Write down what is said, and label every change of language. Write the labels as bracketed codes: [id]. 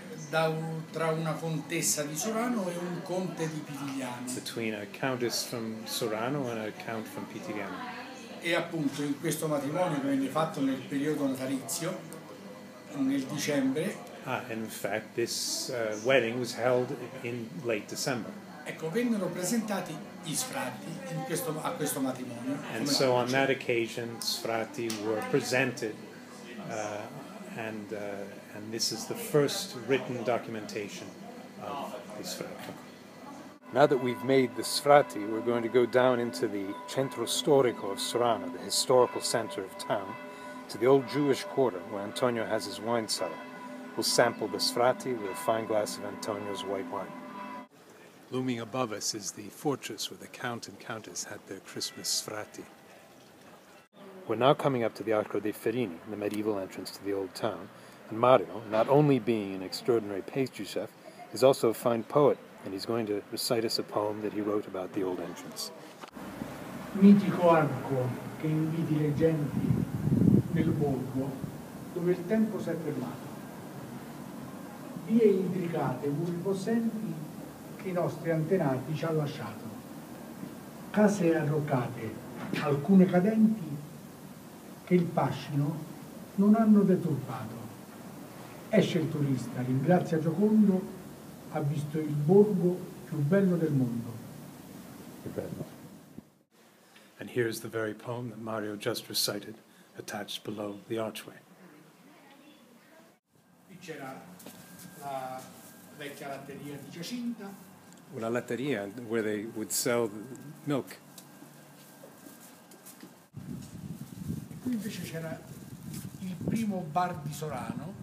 [it] Tra una contessa di Sorano e un conte di Pitigliano. [en] Between a countess from Sorano and a count from Pitigliano. [it] E appunto in questo matrimonio che venne fatto nel periodo natalizio, nel dicembre. [en] Ah, in fact, this wedding was held in late December. [it] Ecco, vennero presentati gli sfratti a questo matrimonio. [en] And so on that occasion, sfratti were presented, and this is the first written documentation of the sfratti. Now that we've made the sfratti, we're going to go down into the centro storico of Sorano, the historical center of town, to the old Jewish quarter where Antonio has his wine cellar. We'll sample the sfratti with a fine glass of Antonio's white wine. Looming above us is the fortress where the Count and Countess had their Christmas sfratti. We're now coming up to the Arco dei Ferini, the medieval entrance to the old town, and Mario, not only being an extraordinary pastry chef, is also a fine poet, and he's going to recite us a poem that he wrote about the old entrance. [it] Mitico arco che inviti le genti nel borgo dove il tempo si è fermato. Vie intricate, muri possenti che i nostri antenati ci hanno lasciato. Case arroccate, alcune cadenti che il fascino non hanno deturpato. Esce il turista, ringrazia Giocondo, ha visto il borgo più bello del mondo. [en] And here's the very poem that Mario just recited, attached below the archway. [it] Qui c'era la vecchia latteria di Giacinta. Una latteria [en] where they would sell milk. [it] Qui invece c'era il primo bar di Sorano.